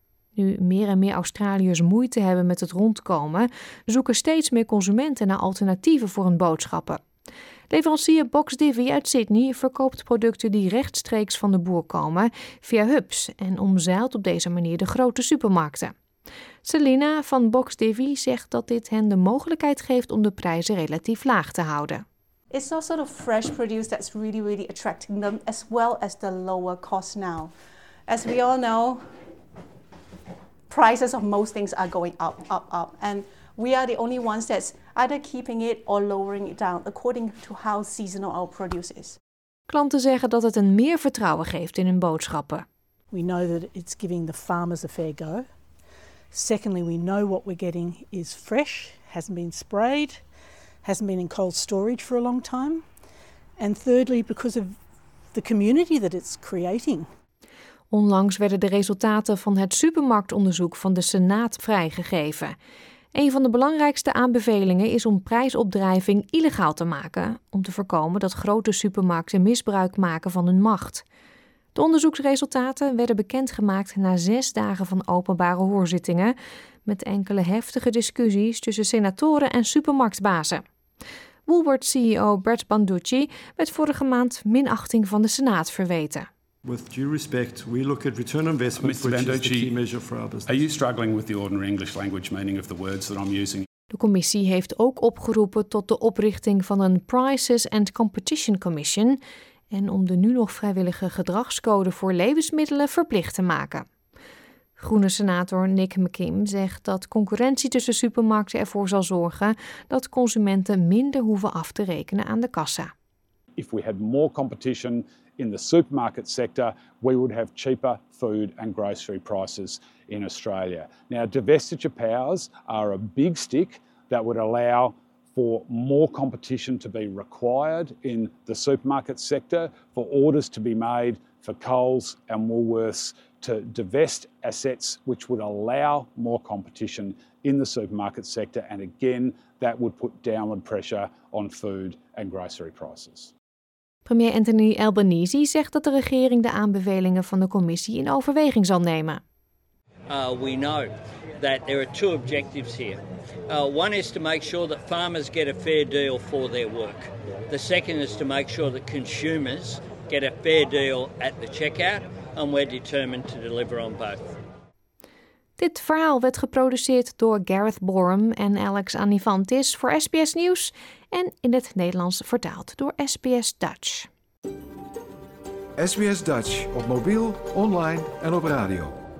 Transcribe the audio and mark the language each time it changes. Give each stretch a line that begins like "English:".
Dutch: Nu meer en meer Australiërs moeite hebben met het rondkomen, zoeken steeds meer consumenten naar alternatieven voor hun boodschappen. Leverancier Box Divi uit Sydney verkoopt producten die rechtstreeks van de boer komen via hubs en omzeilt op deze manier de grote supermarkten. Selina van Box Divi zegt dat dit hen de mogelijkheid geeft om de prijzen relatief laag te houden.
English: It's not sort of fresh produce that's really, really attracting them, as well as the lower cost now. As we all know, prices of most things are going up, up, up. And we are the only ones that's either keeping it or lowering it down, according to how seasonal our produce is.
Dutch: Klanten zeggen dat het een meer vertrouwen geeft in hun boodschappen.
English: We know that it's giving the farmers a fair go. Secondly, we know what we're getting is fresh, hasn't been sprayed, hasn't been in cold storage for a long time. And thirdly, because of the community that it's creating.
Dutch: Onlangs werden de resultaten van het supermarktonderzoek van de Senaat vrijgegeven. Een van de belangrijkste aanbevelingen is om prijsopdrijving illegaal te maken, om te voorkomen dat grote supermarkten misbruik maken van hun macht. De onderzoeksresultaten werden bekendgemaakt na 6 dagen van openbare hoorzittingen, met enkele heftige discussies tussen senatoren en supermarktbazen. Woolworth CEO Brett Banducci werd vorige maand minachting van de Senaat verweten.
English: With due respect, we look at return on investment, which is the key measure for our business. Are you struggling with the ordinary English language meaning of the words that I'm using?
Dutch: De commissie heeft ook opgeroepen tot de oprichting van een Prices and Competition Commission. En om de nu nog vrijwillige gedragscode voor levensmiddelen verplicht te maken. Groene senator Nick McKim zegt dat concurrentie tussen supermarkten ervoor zal zorgen dat consumenten minder hoeven af te rekenen aan de kassa.
English: If we had more competition in the supermarket sector, we would have cheaper food and grocery prices in Australia. Now, divestiture powers are a big stick that would allow for more competition to be required in the supermarket sector, for orders to be made for Coles and Woolworths to divest assets which would allow more competition in the supermarket sector and again that would put downward pressure on food and grocery prices.
Dutch: Premier Anthony Albanese zegt dat de regering de aanbevelingen van de commissie in overweging zal nemen.
English: We know that there are two objectives here. One is to make sure that farmers get a fair deal for their work. The second is to make sure that consumers get a fair deal at the checkout, and we're determined to deliver on both.
Dutch: Dit verhaal werd geproduceerd door Gareth Borum en Alex Anifantis voor SBS Nieuws en in het Nederlands vertaald door SBS Dutch. SBS Dutch op mobiel, online en op radio.